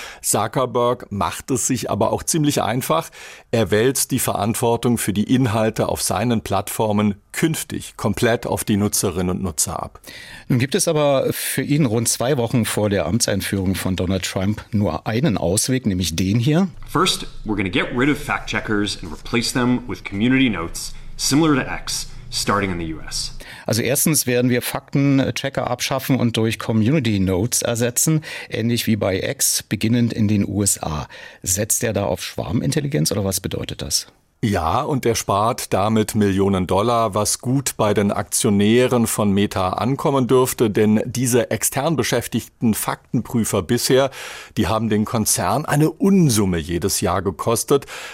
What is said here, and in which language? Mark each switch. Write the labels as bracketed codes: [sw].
[de] Zuckerberg macht es sich aber auch ziemlich einfach. Er wälzt die Verantwortung für die Inhalte auf seinen Plattformen künftig komplett auf die Nutzerinnen und Nutzer ab. Nun gibt es aber für ihn rund 2 Wochen vor der Amtseinführung von Donald Trump nur einen Ausweg, nämlich den hier. [en] First, we're going to get rid of fact-checkers and replace them with community notes similar to X. Starting in the US. [de] Also erstens werden wir Faktenchecker abschaffen und durch Community Notes ersetzen, ähnlich wie bei X, beginnend in den USA. Setzt er da auf Schwarmintelligenz oder was bedeutet das? Ja, und er spart damit Millionen Dollar, was gut bei den Aktionären von Meta ankommen dürfte, denn diese extern beschäftigten Faktenprüfer bisher, die haben den Konzern eine Unsumme jedes Jahr gekostet.